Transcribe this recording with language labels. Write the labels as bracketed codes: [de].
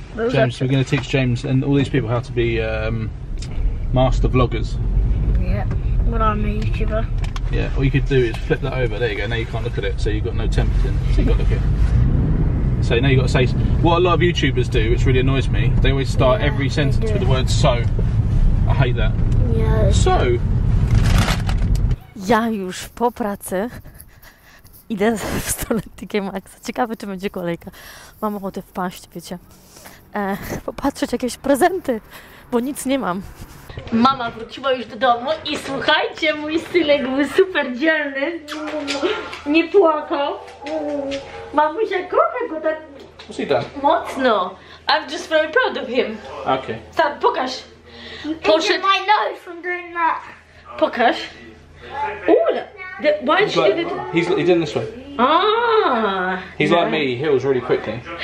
[en] James, we're going to teach James and all these people how to be master vloggers. Yeah. Well, I'm a YouTuber. Yeah, all you could do is flip that over, there you go, now you can't look at it, so you've got no tempting, so you've got to look at it. So now you've got to say, what a lot of YouTubers do, which really annoys me, they always start every sentence with the word so. I hate that. Yeah. So. [pl] Ja już po pracy idę w stronę TK Maxa. Ciekawe, czy będzie kolejka. Mam ochotę wpaść, wiecie. Popatrzeć jakieś prezenty, bo nic nie mam. Mama wróciła już do domu i słuchajcie, mój synek był super dzielny, nie płakał. Mamusia, kocham go tak mocno. [en] I'm just very proud of him. Okay. [pl] Stan, pokaż. Poszedł. [en] My nose from doing that. [pl] Pokaż. [en] Ooh, why did you do that? He's doing this way. Ah. He's like me, he heals really quickly.